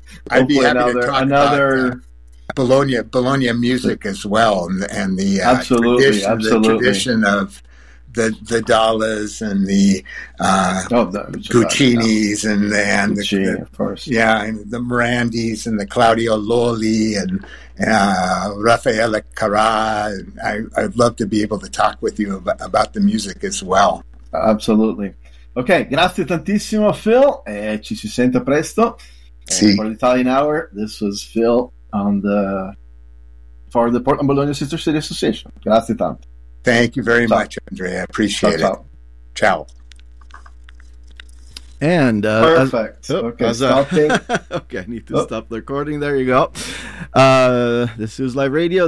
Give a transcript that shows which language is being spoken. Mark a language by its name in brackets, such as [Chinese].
[English] I'd be happy to talk another about that. Bologna music as well, and the tradition of the Dallas and the Guccini's and the Mirandi's and the Claudio Lolli and Raffaele Carrà. I'd love to be able to talk with you about the music as well. Absolutely. [Italian] Okay, grazie tantissimo, Phil, e ci si sente presto. Si. [English] For the Italian Hour, this was Phil for the Portland Bologna Sister City Association. [Italian] Grazie tanto. [English] Thank you very much, Andrea. I appreciate it. [Italian] Ciao. [English] And perfect. I need to stop the recording. There you go. This is live radio.